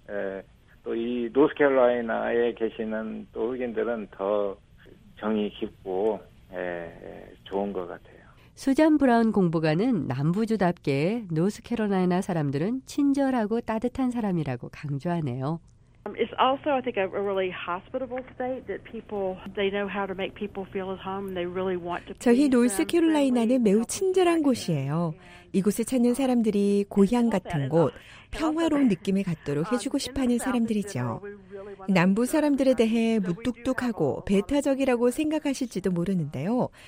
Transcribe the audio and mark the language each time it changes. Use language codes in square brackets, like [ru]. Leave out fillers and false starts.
[ko] 또 이 노스캐롤라이나에 계시는 또 흑인들은 더 정이 깊고 좋은 것 같아요. 수잔 브라운 공보관은 남부주답게 노스캐롤라이나 사람들은 친절하고 따뜻한 사람이라고 강조하네요. [en] It's also, I think, a really hospitable state that people, they know how to make people feel at home. They really want to. [ko] 저희 노스캐롤라이나는 매우 친절한 곳이에요. 이곳을 찾는 사람들이 고향 같은 곳, 평화로운 느낌을 갖도록 해주고 싶어하는 사람들이죠. 남부 사람들에 대해 무뚝뚝하고 배타적이라고 생각하실지도 모르는데요.